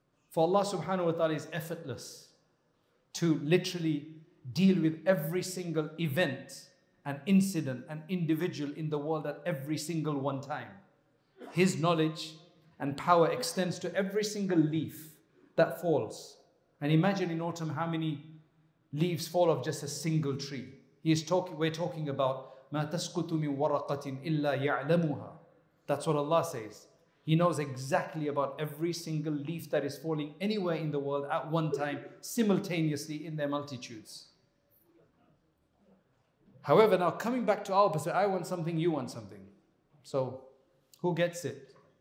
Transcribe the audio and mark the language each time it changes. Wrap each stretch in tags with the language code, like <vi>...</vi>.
<en>For Allah subhanahu wa ta'ala is effortless to literally deal with every single event and incident and individual in the world at every single one time. His knowledge and power extends to every single leaf that falls. And imagine in autumn how many leaves fall off just a single tree. We're talking about</en> <ar>مَا تَسْقُطُ مِن وَرَقَةٍ إِلَّا يَعْلَمُهَا.</ar> <en>That's what Allah says. He knows exactly about every single leaf that is falling anywhere in the world at one time, simultaneously in their multitudes. However, now coming back to our perspective, I want something, you want something. So, who gets it?</en>